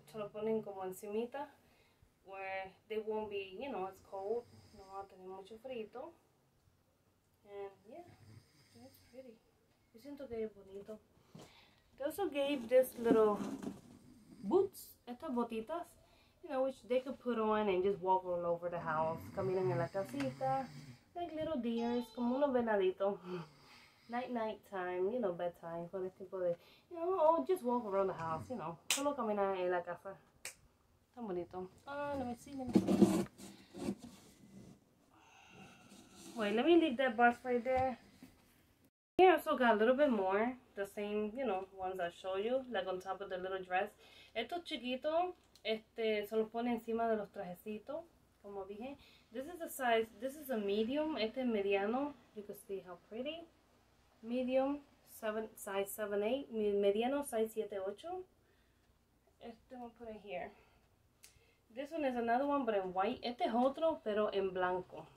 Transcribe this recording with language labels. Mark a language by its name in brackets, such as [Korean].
[Spanish] Se lo ponen como encimita. [English] Where they won't be, you know, it's cold. [Spanish] No va a tener mucho frito. [English] And yeah, it's pretty. Yo siento que es bonito. They also gave this little boots, [Spanish] estas botitas, [English] you know, which they could put on and just walk all over the house. [Spanish] Caminan en la casita, [English] like little deers, [Spanish] como unos venaditos. [English] Night time, you know, bedtime, [Spanish] con este tipo de, [English] you know, or just walk around the house, you know, [Spanish] solo caminar en la casa. Tan bonito. [English] Ah, let me see, Wait, let me leave that box right there. Here I also got a little bit more. The same, you know, ones I showed you. Like on top of the little dress. [Spanish] Estos chiquitos, este, se los pone encima de los trajecitos. Como dije. [English] This is a size, this is a medium. [Spanish] Este es mediano. [English] You can see how pretty. Medium, size 7-8. [Spanish] Mediano, size 7-8. Este voy a poner here. [English] This one is another one, but in white. [Spanish] Este es otro, pero en blanco.